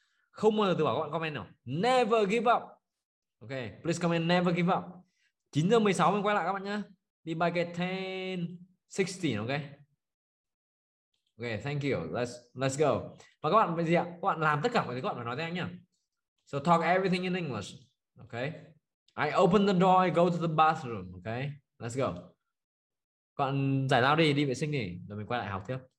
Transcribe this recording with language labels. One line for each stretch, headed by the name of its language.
Vietnamese: Không bao giờ từ bỏ, các bạn comment nào.
English: Never give up. Ok, please comment never give up.
Vietnamese: 9:16 mình quay lại các bạn nhé.
English: Be back at 10:16, ok. Ok, thank you. Let's go.
Vietnamese: Và các bạn gì ạ? Các bạn làm tất cả mọi thứ các bạn phải nói tiếng Anh nhá.
English: So talk everything in English. Ok. I open the door, I go to the bathroom, ok. Let's go.
Vietnamese: Các bạn giải lao đi vệ sinh đi rồi mình quay lại học tiếp.